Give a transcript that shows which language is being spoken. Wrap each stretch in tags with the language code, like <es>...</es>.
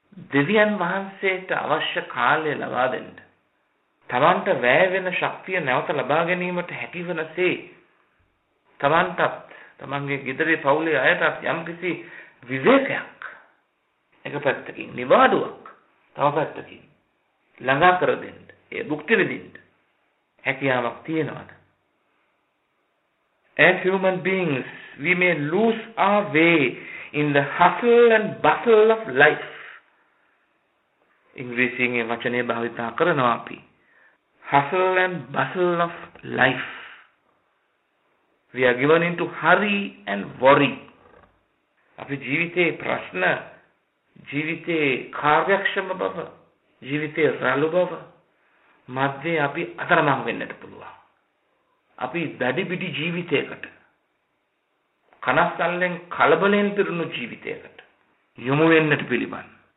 <si>දෙවියන් වහන්සේට අවශ්‍ය කාලය ලබා දෙන්න, තමන්ට වැය වෙන ශක්තිය නැවත ලබා ගැනීමට හැකි වෙනසේ තමන්ටත් තමන්ගේ ගෙදරේ පවුලේ අයටත් යම්කිසි විවේකයක් එක පැත්තකින් නිවාඩුවක් තව පැත්තකින් ළඟා කර දෙන්න, ඒ භුක්ති විඳින්න හැකියාවක් තියෙනවද?</si> <en>As human beings, we may lose our way in the hustle and bustle of life.</en> <si>ඉංග්‍රීසියෙන් වචනේ භාවිත කරනවා අපි.</si> <en>Hustle and bustle of life. We are given into hurry and worry.</en> <si>අපි ජීවිතේ ප්‍රශ්න, ජීවිතේ කාර්යක්ෂම බව, ජීවිතේ රළු බව මැද්දේ අපි අතරමං වෙන්නට පුළුවන්. අපි දැඩිබිඩි ජීවිතයකට, කනස්සල්ලෙන් කලබලෙන් පිරුණු ජීවිතයකට යොමු වෙන්නට පිළිබන්.</si>